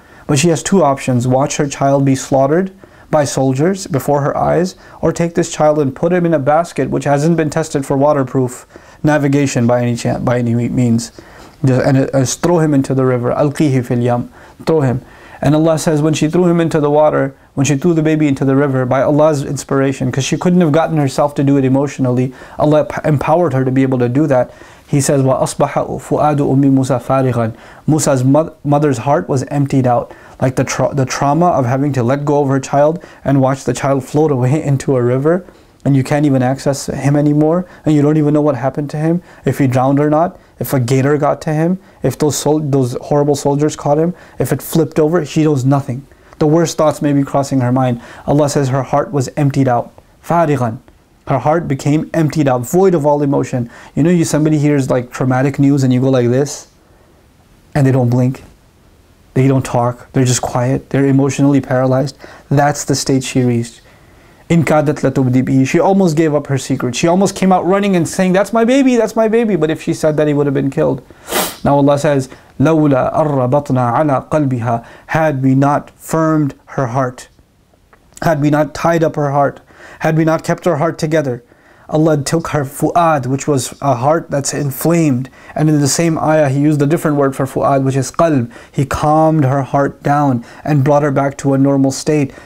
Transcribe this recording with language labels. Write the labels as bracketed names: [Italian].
[English] But she has two options: watch her child be slaughtered by soldiers before her eyes, or take this child and put him in a basket which hasn't been tested for waterproof navigation by any means. And throw him into the river. [Arabic] Alqihi fil yam. [English] Throw him. And Allah says, when she threw him into the water, when she threw the baby into the river, by Allah's inspiration, because she couldn't have gotten herself to do it emotionally, Allah empowered her to be able to do that. He says, [Arabic] وَأَصْبَحَ فُؤَادُ أُمِّ مُوسَى فَارِغًا. [English] Musa's mother's heart was emptied out, like the trauma of having to let go of her child and watch the child float away into a river, and you can't even access him anymore, and you don't even know what happened to him, if he drowned or not, if a gator got to him, if those horrible soldiers caught him, if it flipped over. She knows nothing. The worst thoughts may be crossing her mind. Allah says her heart was emptied out. [Arabic] فَارِغًا. [English] Her heart became emptied out, void of all emotion. You know, somebody hears like traumatic news and you go like this, and they don't blink, they don't talk, they're just quiet, they're emotionally paralyzed. That's the state she reached. [Arabic] In kadat latubdi bihi, [English] she almost gave up her secret. She almost came out running and saying, that's my baby. But if she said that, he would have been killed. Now Allah says, [Arabic] لَوْلَا أَرَّبَطْنَا عَلَىٰ قَلْبِهَا. [English] Had we not firmed her heart, had we not tied up her heart, had we not kept her heart together, Allah took her fu'ad, which was a heart that's inflamed. And in the same ayah, he used a different word for fu'ad, which is qalb. He calmed her heart down and brought her back to a normal state.